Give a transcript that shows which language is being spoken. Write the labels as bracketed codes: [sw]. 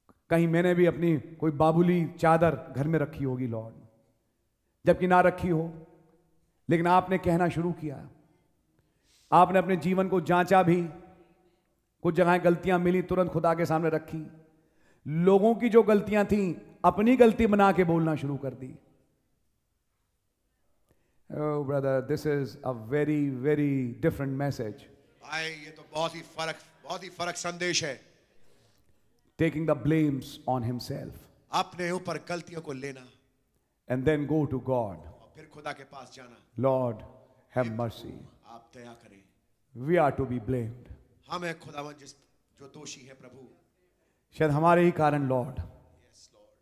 [hi] कहीं मैंने भी अपनी कोई बाबुली चादर घर में रखी होगी लॉर्ड, जबकि ना रखी हो, लेकिन आपने कहना शुरू किया, आपने अपने जीवन को जांचा भी, कुछ जगह गलतियां मिली तुरंत खुदा के सामने रखी, लोगों की जो गलतियां थी अपनी गलती बना के बोलना शुरू कर दी. [en] Oh brother, this is a very, very different message. [hi] ये तो बहुत ही फर्क संदेश है. [en] Taking the blames on himself. [hi] अपने ऊपर गलतियों को लेना. [en] And then go to God. [hi] और फिर खुदा के पास जाना. [en] Lord, have mercy. [hi] आप दया करें. [en] We are to be blamed. [hi] हम हैं खुदावन जिस जो दोषी है प्रभु. शायद हमारे ही कारण लॉर्ड. [en] Yes, Lord.